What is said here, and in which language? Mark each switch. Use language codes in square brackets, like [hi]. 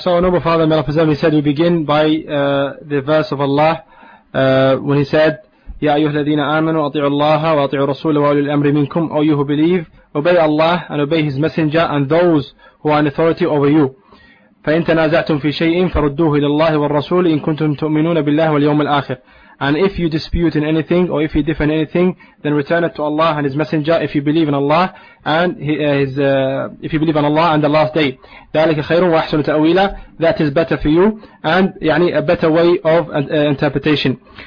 [en] So noble father Malafazam, he said we begin by the verse of Allah when he said [ar] يا أيها الذين آمنوا أطيعوا الله وأطيعوا الرسول وأولي الأمر منكم. [en] Oh you who believe, obey Allah and obey His messenger and those who are in authority over you. [ar] فإن تنازعتم في شيء فردوه إلى الله والرسول إن كنتم تؤمنون بالله واليوم الآخر. [en] And if you dispute in anything or if you differ in anything, then return it to Allah and His messenger if you believe in Allah and if you believe in Allah and the last day. [ar] ذلك خير وأحسن تأويلا. [en] That is better for you and يعني a better way of interpretation.